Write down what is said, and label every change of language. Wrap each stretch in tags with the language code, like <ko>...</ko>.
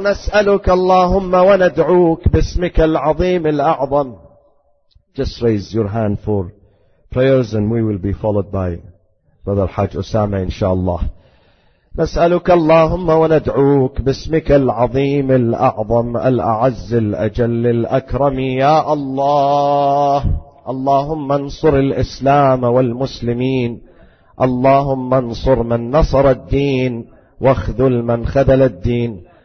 <ar>نسألك اللهم وندعوك باسمك العظيم الأعظم.</ar> <en>Just raise your hand for prayers and we will be followed by Brother Hajj Osama inshallah.</en> <ar>نسألك اللهم وندعوك باسمك العظيم الأعظم الأعز الأجل الأكرم يا الله. اللهم انصر الإسلام والمسلمين. اللهم انصر من نصر الدين واخذل من خذل الدين.</ar>